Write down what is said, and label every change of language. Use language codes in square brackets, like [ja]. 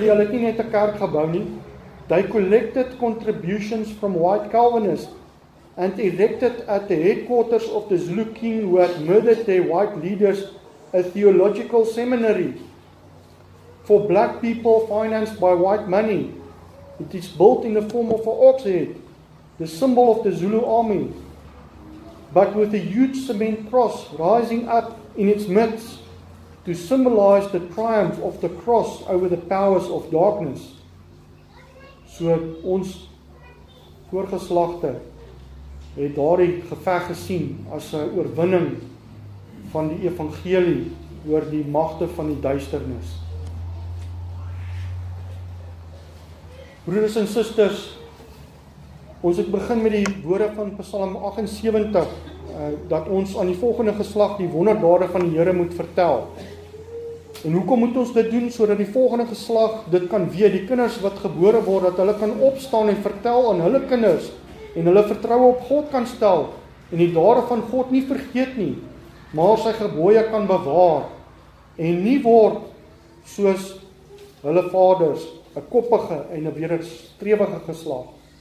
[af] Lee, hulle het nie net 'n kerk gebou nie, [en] they collected contributions from white Calvinists and erected at the headquarters of the Zulu king who had murdered their white leaders a theological seminary for black people financed by white money. It is built in the form of an ox head, the symbol of the Zulu army, but with a huge cement cross rising up in its midst to symbolize the triumph of the cross over the powers of darkness. [af] So ons voorgeslagte het daardie geveg gesien as 'n oorwinning van die evangelie oor die magte van die duisternis. Broeders en susters, ons het begin met die woorde van Psalm 78, dat ons aan die volgende geslag die wonderdade van die Here moet vertel. En hoekom moet ons dit doen? Sodat die volgende geslag dit kan weet, die kinders wat gebore word, dat hulle kan opstaan en vertel aan hulle kinders en hulle vertroue op God kan stel en die dade van God nie vergeet nie, maar sy gebooie kan bewaar en nie word soos hulle vaders, 'n koppige en 'n weerstrewige geslag.